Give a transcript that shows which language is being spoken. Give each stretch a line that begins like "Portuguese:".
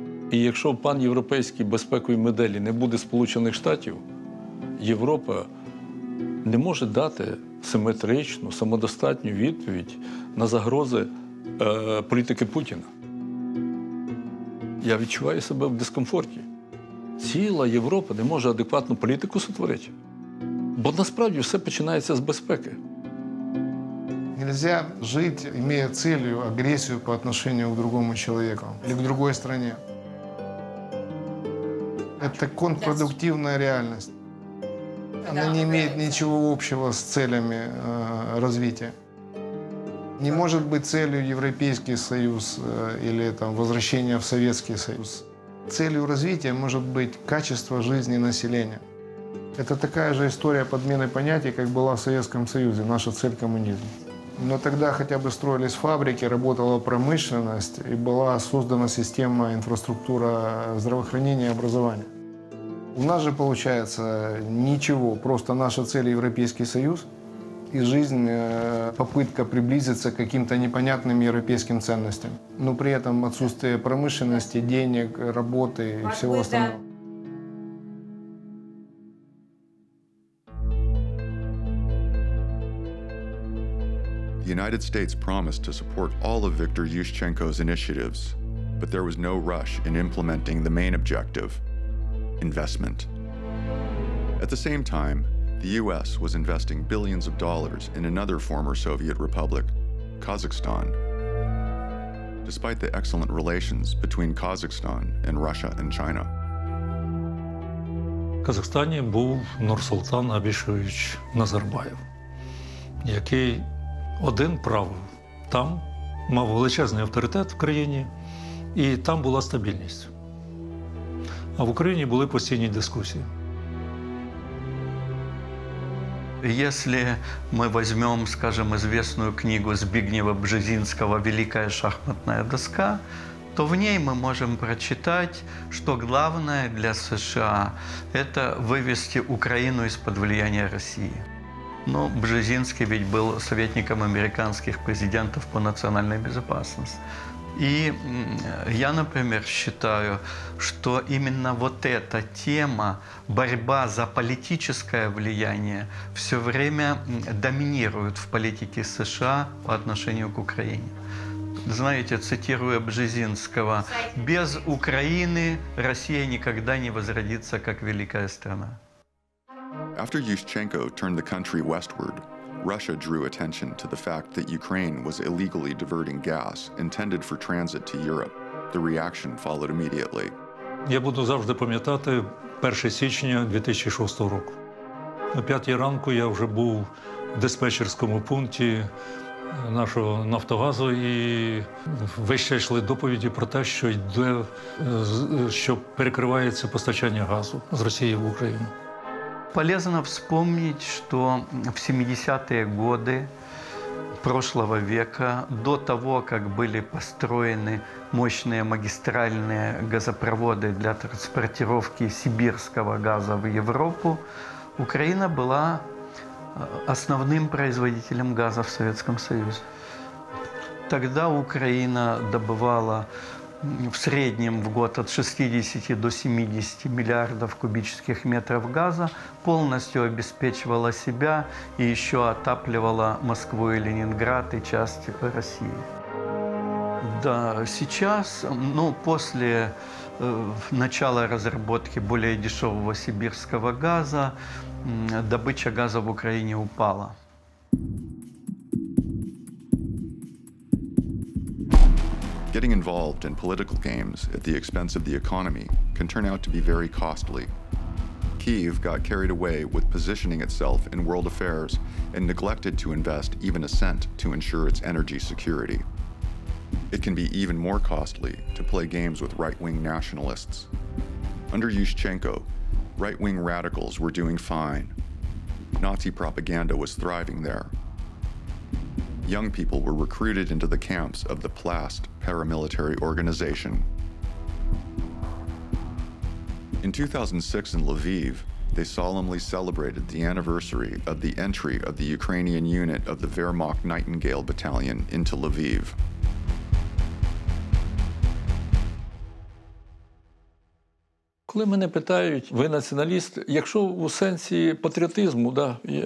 Ukrainian: І якщо пан європейській безпековій моделі не буде Сполучених Штатів, Європа не може дати симетричну, самодостатню відповідь на загрози політики Путіна. Я відчуваю себе в дискомфорті. Ціла Європа не може адекватну політику сотворити. Бо насправді все починається з безпеки.
Russian: Нельзя жить, имея целью агрессию по отношению к другому человеку или к другой стране. Это контрпродуктивная реальность. Она не имеет ничего общего с целями развития. Не может быть целью Европейский Союз или там, возвращение в Советский Союз. Целью развития может быть качество жизни населения. Это такая же история подмены понятий, как была в Советском Союзе. Наша цель – коммунизм. Но тогда хотя бы строились фабрики, работала промышленность и была создана система, инфраструктура здравоохранения и образования. У нас же получается ничего, просто наша цель – Европейский Союз и жизнь, попытка приблизиться к каким-то непонятным европейским ценностям. Но при этом отсутствие промышленности, денег, работы и всего остального.
English: The United States promised to support all of Viktor Yushchenko's initiatives, but there was no rush in implementing the main objective, investment. At the same time, the U.S. was investing billions of dollars in another former Soviet republic, Kazakhstan. Despite the excellent relations between Kazakhstan and Russia and China.
Ukrainian: В Казахстані був Нурсултан Абішевич Назарбаєв, який один правив. Там мав величезний авторитет в країні, і там була стабільність. А в Україні були постійні дискусії.
Russian: Если мы возьмем, скажем, известную книгу Збігнєва Бжезінського «Великая шахматная доска», то в ней мы можем прочитать, что главное для США – это вывести Украину из-под влияния России. Ну, Бжезинский ведь был советником американских президентов по национальной безопасности. И я, например, считаю, что именно вот эта тема, борьба за политическое влияние, все время доминирует в политике США по отношению к Украине. Знаете, цитируя Бжезинского, «Без Украины Россия никогда не возродится как великая страна».
English: After Yushchenko turned the country westward, Russia drew attention to the fact that Ukraine was illegally diverting gas intended for transit to Europe. The reaction followed immediately.
Ukrainian: Я буду завжди пам'ятати 1 січня 2006 року. О 5 ранку я вже був в диспетчерському пункті нашого Нафтогазу і вийшли доповіді про те, що йде, що перекривається постачання газу з Росії в Україну.
Russian: Полезно вспомнить, что в 70-е годы прошлого века, до того, как были построены мощные магистральные газопроводы для транспортировки сибирского газа в Европу, Украина была основным производителем газа в Советском Союзе. Тогда Украина добывала в среднем в год от 60 до 70 миллиардов кубических метров газа, полностью обеспечивала себя и еще отапливала Москву и Ленинград и часть России. Да, сейчас, ну, после начала разработки более дешевого сибирского газа, добыча газа в Украине упала.
English: Getting involved in political games at the expense of the economy can turn out to be very costly. Kyiv got carried away with positioning itself in world affairs and neglected to invest even a cent to ensure its energy security. It can be even more costly to play games with right-wing nationalists. Under Yushchenko, right-wing radicals were doing fine. Nazi propaganda was thriving there. Young people were recruited into the camps of the PLAST paramilitary organization. In 2006 in Lviv, they solemnly celebrated the anniversary of the entry of the Ukrainian unit of the Wehrmacht Nightingale Battalion into Lviv.
Ukrainian: Коли мене питають, ви націоналіст, якщо у сенсі патріотизму, да,